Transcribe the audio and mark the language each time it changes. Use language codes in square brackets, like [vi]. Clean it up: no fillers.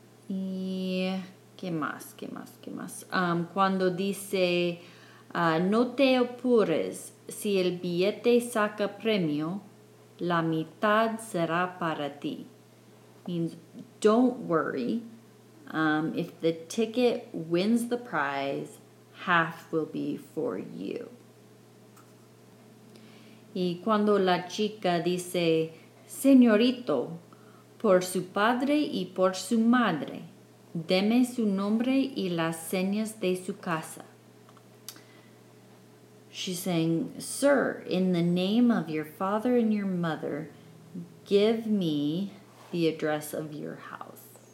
[es] Y qué más? Cuando dice no te apures, si el billete saca premio, la mitad será para ti. [en] Means don't worry, if the ticket wins the prize, half will be for you. [es] Y cuando la chica dice, señorito, por su padre y por su madre, deme su nombre y las señas de su casa. [en] She's saying, sir, in the name of your father and your mother, give me the address of your house.